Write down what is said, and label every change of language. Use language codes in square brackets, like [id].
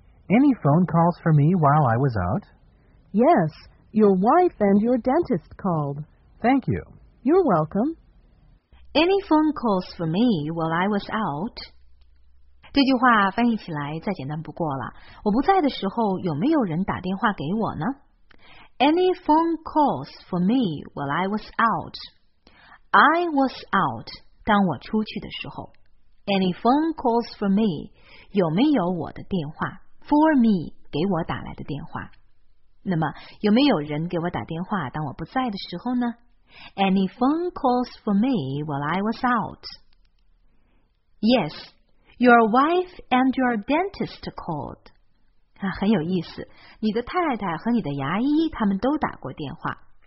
[en] Any phone calls for me while I was out? Yes, your wife and your dentist called. Thank you. You're welcome. Any phone calls for me while I was out? [zh] 这句话翻译起来再简单不过了。我不在的时候有没有人打电话给我呢？ [en] Any phone calls for me while I was out? I was out, [zh] 当我出去的时候。 [en] Any phone calls for me? [zh] 有没有我的电话？ [en] For me, [zh] 给我打来的电话。那么，有没有人给我打电话当我不在的时候呢？ [en] Any phone calls for me while I was out? Yes, your wife and your dentist called. [zh] 啊，很有意思，你的太太和你的牙医他们都打过电话。